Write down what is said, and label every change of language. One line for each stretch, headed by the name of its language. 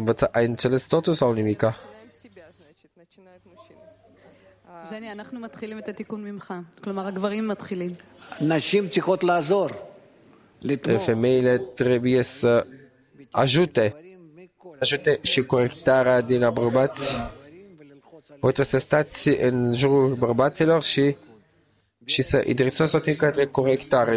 Romanian: Ai înțeles totul sau nimica?
Hebrew: Jenny, אנחנו מתחילים את התיקון ממך. כלומר, הגברים מתחילים. נשים צריכות לעזור.
Romanian: Femeile trebuie să ajute și corectarea din bărbați. Voi trebuie să stați în jurul bărbaților și să îi direcționați tot timpul către corectare.